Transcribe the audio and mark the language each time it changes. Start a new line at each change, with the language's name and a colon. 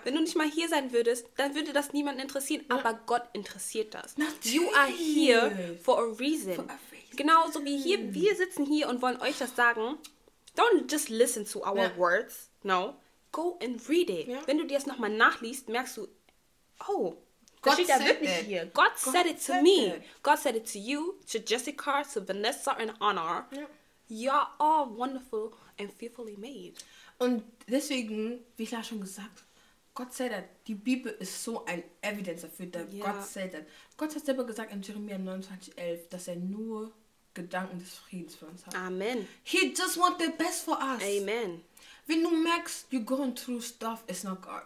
German: Wenn du nicht mal hier sein würdest, dann würde das niemanden interessieren, aber Gott interessiert das. Natürlich.
English: You are here for a reason.
German: Genauso wie hier, wir sitzen hier und wollen euch das sagen.
English: Don't just listen to our words. No. Go and read it.
German: Ja. Wenn du dir das nochmal nachliest, merkst du, oh, Gott steht da wirklich
English: it.
German: Hier.
English: God said it to me. God said it to you, to Jessica, to Vanessa and Anna.
German: Ja.
English: You're all wonderful and fearfully made.
German: Und deswegen, wie ich ja schon gesagt habe, Gott sei Dank, die Bibel ist so ein Evidence dafür, dass Gott sei Dank. Gott hat selber gesagt in Jeremia 29,11, dass er nur Gedanken des Friedens für uns hat. Amen.
English: He just wants the best for us. Amen.
German: Wenn du merkst,
English: you're going through stuff, it's not God.